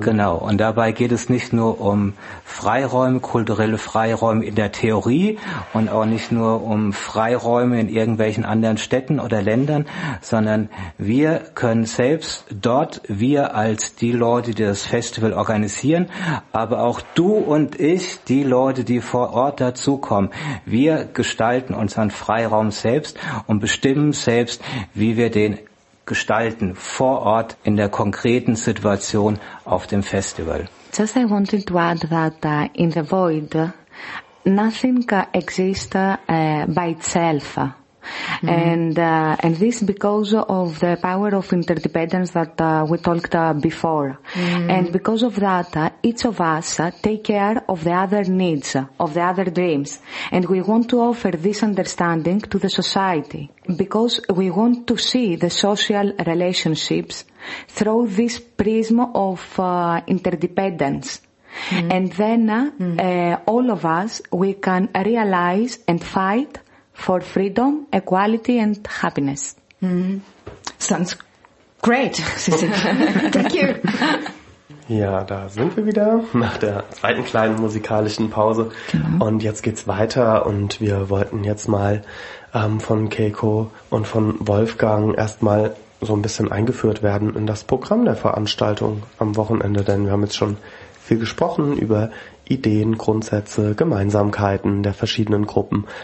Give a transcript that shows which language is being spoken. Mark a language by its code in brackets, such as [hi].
[de] Genau, und dabei geht es nicht nur um Freiräume, kulturelle Freiräume in der Theorie und auch nicht nur um Freiräume in irgendwelchen anderen Städten oder Ländern, sondern wir können selbst dort, wir als die Leute, die das Festival organisieren, aber auch du und ich, die Leute, die vor Ort dazukommen, wir gestalten unseren Freiraum selbst und bestimmen selbst, wie wir den gestalten vor Ort in der konkreten Situation auf dem Festival. [en] Just I wanted to add that in the void, nothing exists by itself. Mm-hmm. And this because of the power of interdependence that we talked before. Mm-hmm. And because of that, each of us take care of the other needs, of the other dreams. And we want to offer this understanding to the society because we want to see the social relationships through this prism of interdependence. Mm-hmm. And then all of us, we can realize and fight for freedom, equality and happiness. Mm-hmm. Sounds great. Thank you. [de] Ja, da sind wir wieder nach der zweiten kleinen musikalischen Pause. Genau. Und jetzt geht's weiter und wir wollten jetzt mal von Keiko und von Wolfgang erstmal so ein bisschen eingeführt werden in das Programm der Veranstaltung am Wochenende, denn wir haben jetzt schon viel gesprochen über Ideen, Grundsätze, Gemeinsamkeiten der verschiedenen Gruppen.